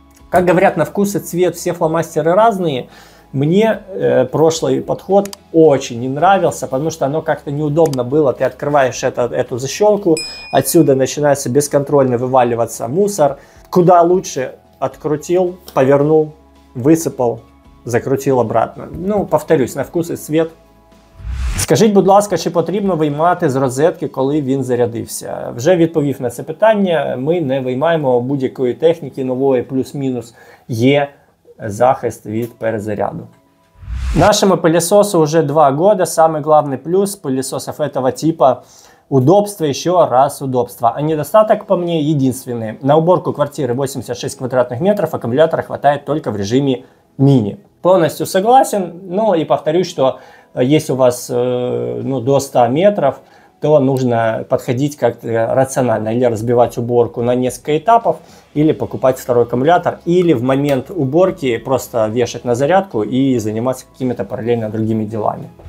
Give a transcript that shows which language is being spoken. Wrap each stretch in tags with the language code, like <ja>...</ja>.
<ru>Как говорят, на вкус и цвет все фломастеры разные. Мне прошлый подход очень не нравился, потому что оно как-то неудобно было. Ты открываешь эту защелку, отсюда начинается бесконтрольно вываливаться мусор. Куда лучше открутил, повернул, высыпал, закрутил обратно. Ну, повторюсь, на вкус и цвет.</ru> <uk>Скажіть, будь ласка, чи потрібно виймати з розетки, коли він зарядився? Вже відповів на це питання. Ми не виймаємо будь-якої техніки нової, плюс-мінус є захист від перезаряду. Нашому</uk> <ru>пылесосу</ru> <uk>вже</uk> <ru>2 года. Самый главный плюс пылесосов этого типа – удобство, еще раз удобство. А недостаток, по мне, единственный. На уборку квартиры 86 квадратных метров аккумулятора хватает только в режиме мини. Полностью согласен, ну и повторюсь, что если у вас ну, до 100 метров, то нужно подходить как-то рационально, или разбивать уборку на несколько этапов, или покупать второй аккумулятор, или в момент уборки просто вешать на зарядку и заниматься какими-то параллельно другими делами.</ru>